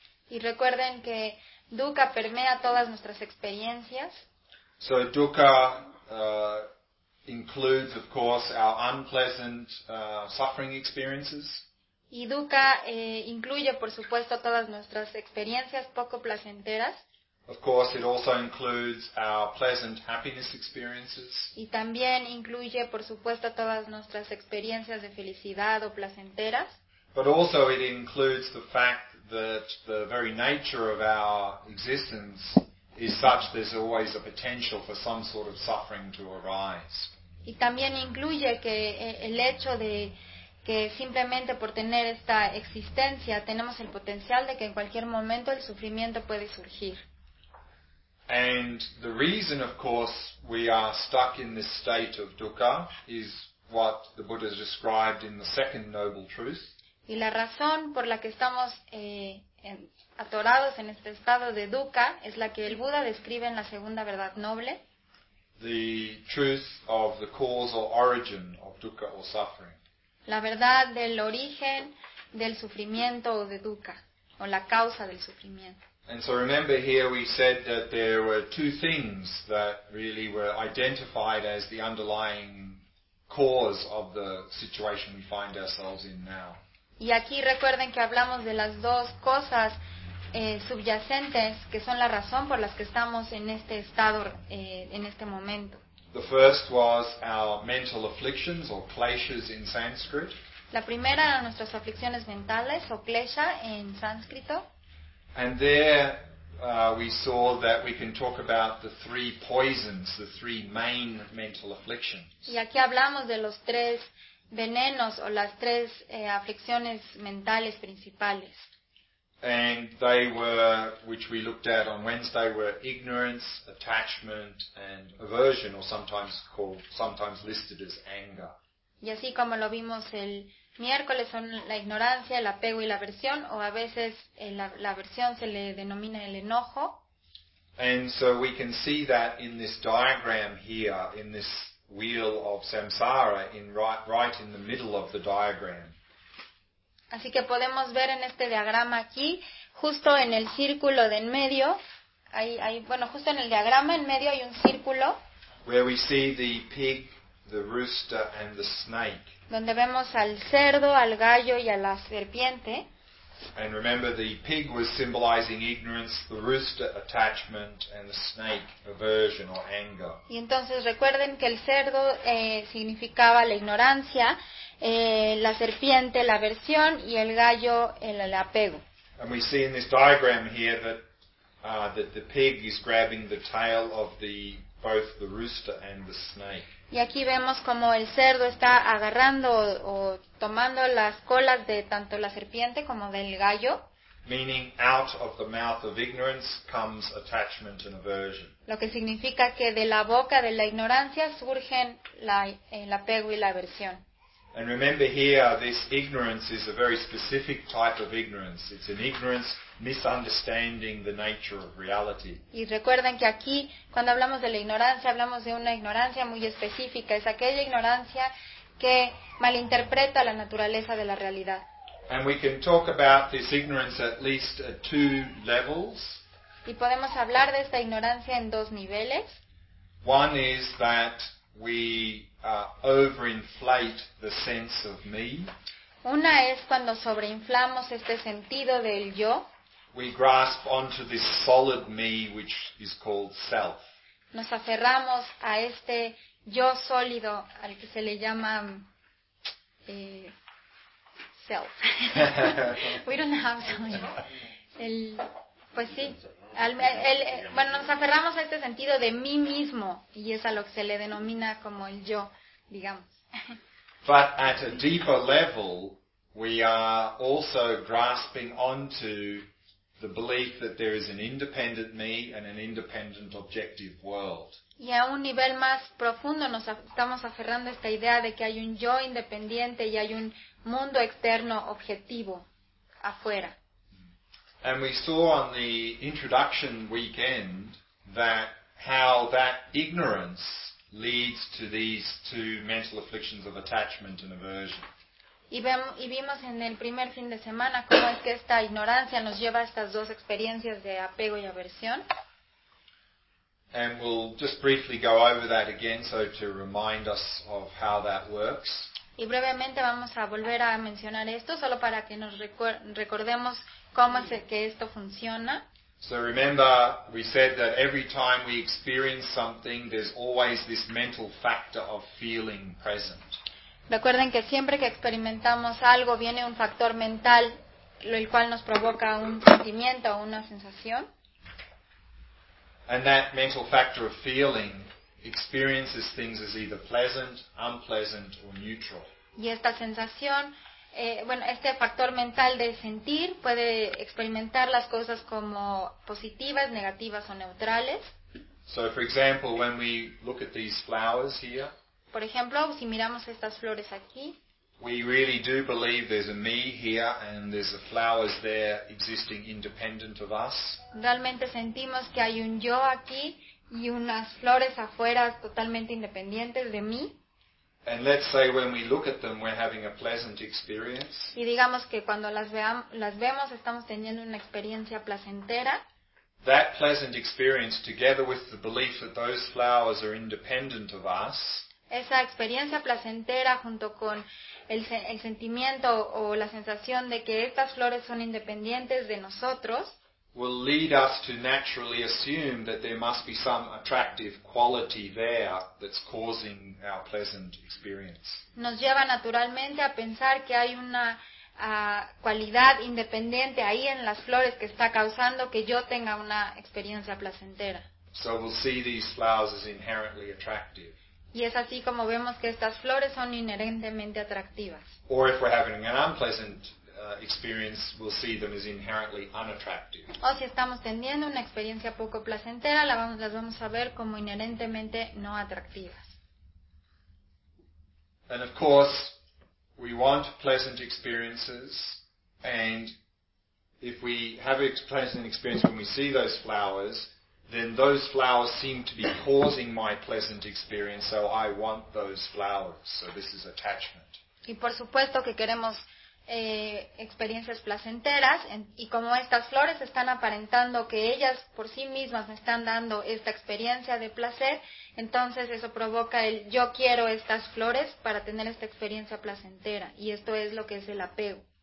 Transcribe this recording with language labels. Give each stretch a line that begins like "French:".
Spanish: Y recuerden que dukkha permea todas nuestras experiencias.
English: So dukkha includes, of course, our unpleasant suffering experiences.
Spanish: Y dukkha incluye, por supuesto, todas nuestras experiencias poco placenteras.
English: Of course, it also includes our pleasant happiness experiences.
Spanish: Y también incluye, por supuesto, todas nuestras experiencias de felicidad o placenteras.
English: But also it includes the fact that the very nature of our existence is such there's always a potential for some sort of suffering to arise.
Spanish: Y también incluye que el hecho de que simplemente por tener esta existencia tenemos el potencial de que en cualquier momento el sufrimiento puede surgir.
English: And the reason, of course, we are stuck in this state of dukkha is what the Buddha has described in the Second Noble Truth.
Spanish: Y la razón por la que estamos atorados en este estado de dukkha es la que el Buda describe en la segunda verdad noble.
English: The truth of the cause or origin of dukkha or suffering.
Spanish: La verdad del origen del sufrimiento o de dukkha, o la causa del sufrimiento.
English: And so remember here we said that there were two things that really were identified as the underlying cause of the situation we find ourselves in now.
Spanish: Y aquí recuerden que hablamos de las dos cosas subyacentes que son la razón por las que estamos en este estado, en este momento.
English: The first was our mental afflictions or kleshas in Sanskrit.
Spanish: La primera eran nuestras aflicciones mentales o klesha en sánscrito.
English: And there we saw that we can talk about the three poisons, the three main mental afflictions.
Spanish: Y aquí hablamos de los tres venenos o las tres aflicciones mentales principales.
English: And they were, which we looked at on Wednesday, were ignorance, attachment, and aversion, or sometimes listed as anger.
Spanish: Y así como lo vimos el miércoles, son la ignorancia, el apego y la aversión, o a veces la aversión se le denomina el enojo.
English: And so we can see that in this diagram here, in this wheel of samsara, right in the middle of the diagram.
Spanish: Así que podemos ver en este diagrama aquí, justo en el círculo de en medio, justo en el diagrama en medio hay un círculo.
English: Where we see the pig, the rooster, and the snake.
Spanish: Donde vemos al cerdo, al gallo y a la serpiente.
English: And remember, the pig was symbolizing ignorance, the rooster attachment, and the snake aversion or anger.
Spanish: Y entonces recuerden que el cerdo significaba la ignorancia, la serpiente la aversión y el gallo el apego.
English: And we see in this diagram here that that the pig is grabbing the tail of both the rooster and the snake.
Spanish: Y aquí vemos como el cerdo está agarrando o tomando las colas de tanto la serpiente como del gallo.
English: meaning out of the mouth of ignorance comes attachment and aversion.
Spanish: Lo que significa que de la boca de la ignorancia surgen el apego y la aversión.
English: And remember here, this ignorance is a very specific type of ignorance. It's an ignorance misunderstanding the nature of reality.
Spanish: Y recuerden que aquí, cuando hablamos de la ignorancia, hablamos de una ignorancia muy específica. Es aquella ignorancia que malinterpreta la naturaleza de la realidad.
English: And we can talk about this ignorance at least at two levels.
Spanish: Y podemos hablar de esta ignorancia en dos niveles.
English: One is that we overinflate the sense of me.
Spanish: Una es cuando sobreinflamos este sentido del yo.
English: We grasp onto this solid me which is called self.
Spanish: Nos aferramos a este yo sólido al que se le llama self.
English: We don't have something.
Spanish: Nos aferramos a este sentido de mí mismo y es a lo que se le denomina como el yo, digamos.
English: But at a deeper level, we are also grasping onto the belief that there is an independent me and an independent objective world.
Spanish: Y a un nivel más profundo nos estamos aferrando a esta idea de que hay un yo independiente y hay un mundo externo objetivo afuera.
English: And we saw on the introduction weekend that how that ignorance leads to these two mental afflictions of attachment and aversion.
Spanish: Y vimos en el primer fin de semana cómo es que esta ignorancia nos lleva a estas dos experiencias de apego y aversión.
English: And we'll just briefly go over that again so to remind us of how that works.
Spanish: Y brevemente vamos a volver a mencionar esto solo para que nos recordemos cómo es que esto funciona.
English: So remember, we said that every time we experience something, there's always this mental factor of feeling present.
Spanish: Recuerden que siempre que experimentamos algo viene un factor mental, el cual nos provoca un sentimiento o una sensación.
English: And that mental factor of feeling experiences things as either pleasant, unpleasant, or neutral.
Spanish: Y esta sensación, este factor mental de sentir puede experimentar las cosas como positivas, negativas o neutrales.
English: So, for example, when we look at these flowers here,
Spanish: por ejemplo, si miramos estas flores aquí,
English: we really do believe there's a me here and there's the flowers there existing independent of us.
Spanish: Realmente sentimos que hay un yo aquí y unas flores afuera totalmente independientes de mí.
English: And let's say when we look at them we're having a pleasant experience.
Spanish: Y digamos que cuando las vemos estamos teniendo una experiencia placentera.
English: That pleasant experience together with the belief that those flowers are independent of us.
Spanish: Esa experiencia placentera junto con el sentimiento o la sensación de que estas flores son independientes de nosotros
English: will lead us to naturally assume that there must be some attractive quality there that's causing our pleasant experience.
Spanish: Nos lleva naturalmente a pensar que hay una cualidad independiente ahí en las flores que está causando que yo tenga una experiencia placentera.
English: So we'll see these flowers as inherently attractive.
Spanish: Y es así como vemos que estas flores son inherentemente atractivas.
English: Or if we're having an unpleasant experience, we'll see them as inherently unattractive.
Spanish: O si estamos teniendo una experiencia poco placentera, las vamos a ver como inherentemente no atractivas.
English: And of course, we want pleasant experiences, and if we have a pleasant experience when we see those flowers, then those flowers seem to be causing my pleasant experience, so I want those flowers. So this is attachment.
Spanish: Y por supuesto que queremos experiencias placenteras, y como estas flores están aparentando que ellas por sí mismas me están dando esta experiencia de placer, entonces eso provoca el yo quiero estas flores para tener esta experiencia placentera, y esto es lo que es el apego.